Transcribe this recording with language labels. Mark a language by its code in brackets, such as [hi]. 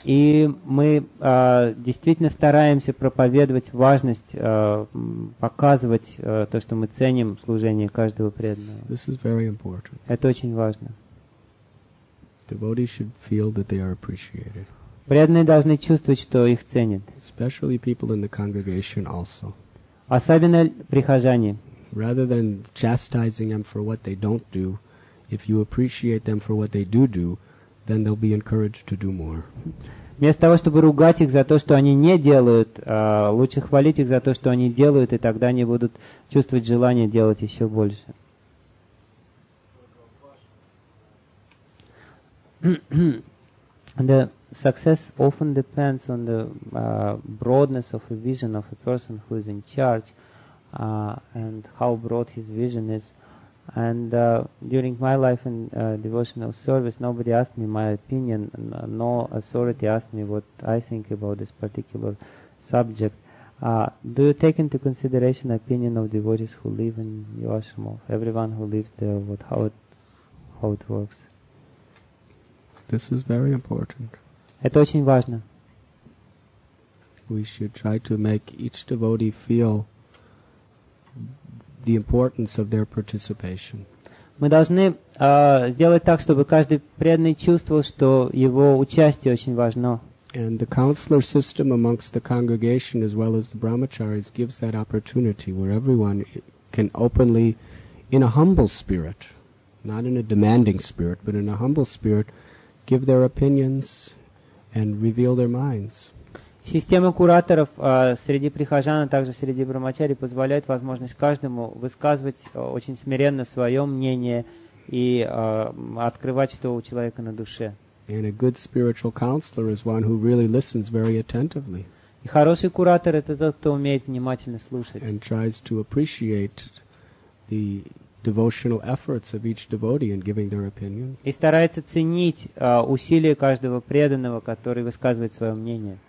[ru] И мы действительно стараемся проповедовать важность, показывать то, что мы ценим служение каждого преданного. [en] This is very important. [ru] Это очень важно. [en] Devotees should feel that they are appreciated. [ru] Преданные должны чувствовать, что их ценят. [en] Especially people in the congregation also. [ru] Особенно прихожане. [en] Rather than chastising them for what they don't do, if you appreciate them for what they do, then they'll be encouraged to do more. [ru] Вместо того, чтобы ругать их за то, что они не делают, лучше хвалить их за то, что они делают, и тогда они будут чувствовать желание делать еще больше. [en] The success often depends on the broadness of a vision of a person who is in charge and how broad his vision is. And during my life in devotional service, nobody asked me my opinion, no authority asked me what I think about this particular subject. Do you take into consideration the opinion of devotees who live in your ashram, of everyone who lives there, what how it works? This is very important. [ru] Это очень важно. [en] We should try to make each devotee feel the importance of their participation. [ru] Мы должны сделать так, чтобы каждый преданный чувствовал, что его участие очень важно. [en] And the counselor system amongst the congregation as well as the brahmacharis gives that opportunity where everyone can openly, in a humble spirit, not in a demanding spirit, but in a humble spirit, give their opinions and reveal their minds. [ru] Система кураторов среди прихожан, а также среди брахмачари позволяет возможность каждому высказывать очень смиренно свое мнение и открывать, что у человека на душе. [en] And a good spiritual counselor is one who really listens very attentively. [ru] И хороший куратор — это тот, кто умеет внимательно слушать. [en] And tries to appreciate the devotional efforts of each devotee in giving their opinion. [ru] И старается ценить усилия каждого преданного, который высказывает свое мнение.